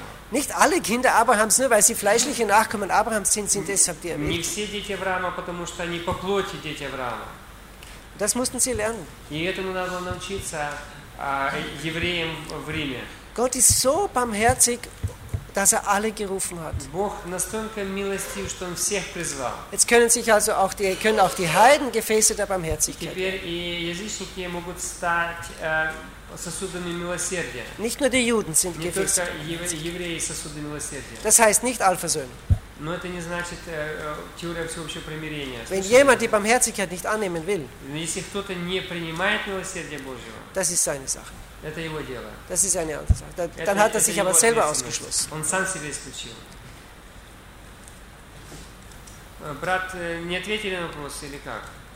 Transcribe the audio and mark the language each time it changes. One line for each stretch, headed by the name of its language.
German: Nicht alle Kinder Abrahams, nur weil sie fleischliche Nachkommen Abrahams sind, sind deshalb die Erwählten. Nicht alle Kinder Abrahams, nur weil sie fleischliche Nachkommen Abrahams sind, sind deshalb die Erwählten. Das mussten sie lernen.
Russian: И этому надо научиться евреям в Риме.
German: Gott ist so barmherzig, dass er alle gerufen hat.
Russian: Бог настолько милостив, что он всех призвал.
German: Jetzt können sich also auch die können auch die Heiden Gefäße der Barmherzigkeit.
Russian: Теперь и язычники могут стать сосудами милосердия.
German: Nicht nur die Juden sind Gefäße.
Russian: Не только евреи сосуды милосердия.
German: Das heißt nicht Allversöhnung.
Russian: Но это не значит теория всеобщего примирения.
German: Wenn jemand die Barmherzigkeit nicht annehmen will,
Russian: если кто-то не принимает милосердие Божьего,
German: das ist seine Sache.
Russian: Это его дело.
German: Das ist eine andere Sache. Dann hat er sich aber selber ausgeschlossen.
Russian: Он сам себя исключил. Брат, не ответили на вопрос или как?